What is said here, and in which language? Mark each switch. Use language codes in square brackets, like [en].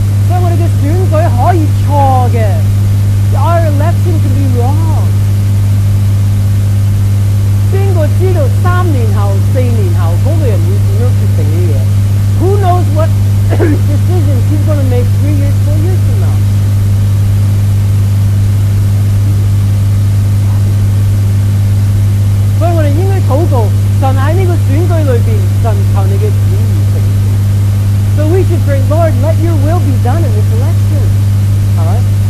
[zh] 所以我们的选举可以错的。 [en] Our election can be wrong. [zh] 谁知道三年后、四年后，那个人会怎样决定呢？ [en] Who knows what decisions he's going to make 3 years, 4 years from now? [zh] 所以我们应该祷告，神在这个选举里面，神求你的旨意成就。 [en] So we should pray, Lord, let your will be done in this election.